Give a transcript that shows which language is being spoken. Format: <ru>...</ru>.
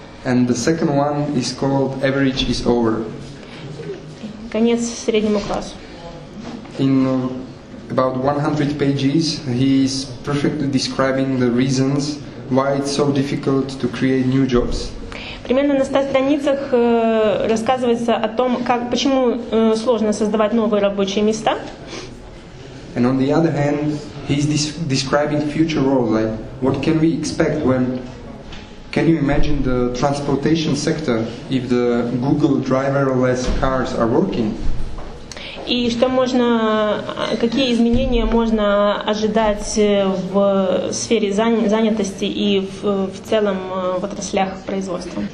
<en>And the second one is called Average is Over.</en> <ru>Конец среднему классу.</ru> <en>In about 100 pages, he is perfectly describing the reasons why it's so difficult to create new jobs.</en> <ru>Примерно на 100 страницах рассказывается о том, как, почему сложно создавать новые рабочие места.</ru> <en>And on the other hand, he's describing future roles, like what can we expect when, can you imagine the transportation sector if the Google driverless cars are working?</en> <ru>И что можно, какие изменения можно ожидать в сфере занятости и в целом в отраслях производства?</ru>